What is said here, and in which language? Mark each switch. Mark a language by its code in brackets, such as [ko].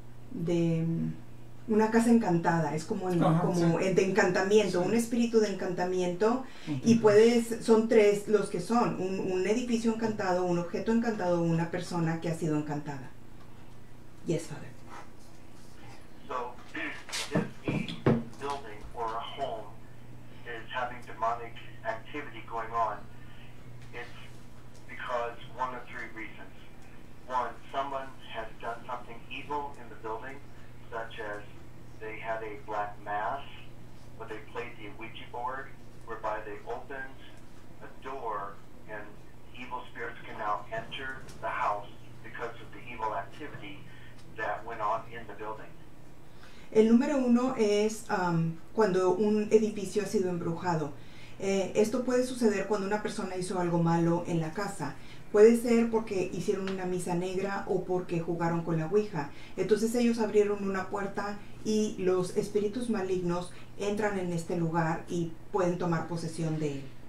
[es] de una casa encantada, es como, en, como de encantamiento, un espíritu de encantamiento, y puedes, son tres los que son, un edificio encantado, un objeto encantado, una persona que ha sido encantada. [en] Yes, Father. So, if a building or a home is having demonic activity going on, it's because one of three reasons. One, someone has done something evil in the building, such as they had a black mass, or they played the Ouija board, whereby they opened a door and evil spirits can now enter the house because of the evil activity that went on in the building. [es] El número uno es cuando un edificio ha sido embrujado. Esto puede suceder cuando una persona hizo algo malo en la casa. Puede ser porque hicieron una misa negra o porque jugaron con la Ouija. Entonces ellos abrieron una puerta y los espíritus malignos entran en este lugar y pueden tomar posesión de él.